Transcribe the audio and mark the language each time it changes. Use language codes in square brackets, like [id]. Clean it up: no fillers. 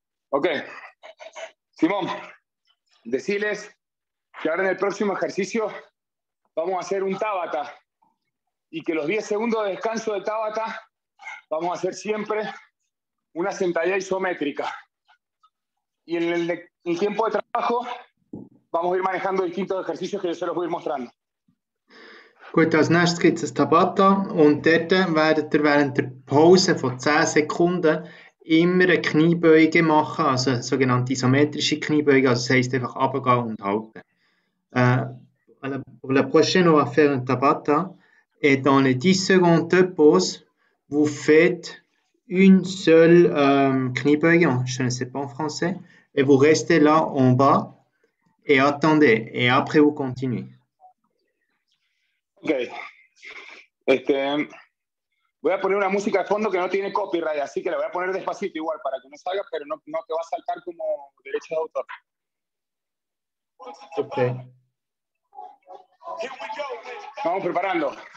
[es] Okay, Simón, decirles que ahora en el próximo ejercicio vamos a hacer un Tabata y que los 10 segundos de descanso de Tabata vamos a hacer siempre una sentadilla isométrica. Y en el tiempo de trabajo vamos a ir manejando distintos ejercicios que yo se los voy a ir mostrando. [de] Gut, als nächstes gibt es Tabata und dort werdet ihr während der Pause von 10 Sekunden immer eine Kniebeuge machen, also eine sogenannte isometrische Kniebeuge, also das heisst einfach runtergehen und halten. [fr] Pour la prochaine, on va faire un Tabata. Et dans les 10 secondes de pause, vous faites une seule Kniebeuge, je ne sais pas en français, et vous restez là en bas et attendez, et après vous continuez. Ok. [es] Voy a poner una música de fondo que no tiene copyright, así que la voy a poner despacito igual para que no salga, pero no te va a saltar como derecho de autor. Okay. Vamos preparando.